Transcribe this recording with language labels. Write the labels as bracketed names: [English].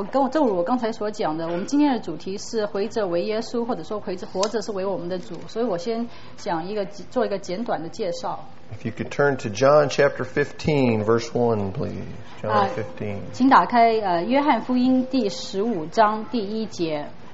[Chinese] 正如我刚才所讲的，我们今天的主题是回着为耶稣，或者说回着活着是为我们的主。所以我先讲一个，做一个简短的介绍。 [English] If you could turn to John chapter 15, verse 1, please. John 15. [Chinese] 请打开约翰福音第十五章第一节。